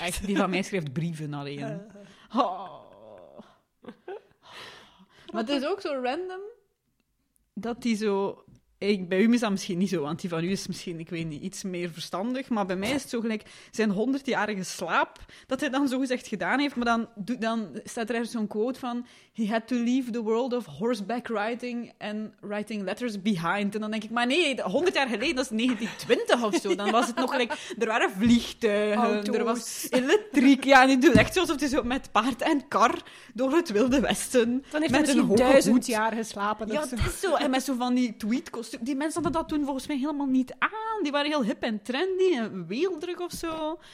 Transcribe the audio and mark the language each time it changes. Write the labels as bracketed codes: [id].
[nl] Echt, die van mij schrijft brieven alleen. Oh. Maar het is ook zo random... Dat die zo... Bij u is dat misschien niet zo, want die van u is misschien, ik weet niet, iets meer verstandig. Maar bij mij is het zo gelijk zijn 100-jarige slaap dat hij dan zogezegd gedaan heeft. Maar dan staat er ergens zo'n quote van... [en] He had to leave the world of horseback riding and writing letters behind. [nl] En dan denk ik, maar nee, 100 jaar geleden, dat is 1920 of zo. Dan was het nog gelijk... Er waren vliegtuigen, auto's. Er was elektriek. Ja, en het doet echt alsof hij zo met paard en kar door het Wilde Westen... Dan heeft met hij misschien 1000 jaar geslapen. Ja, dat is zo. En met zo van die tweet. Die mensen hadden dat toen volgens mij helemaal niet aan. Die waren heel hip en trendy en weelderig of zo.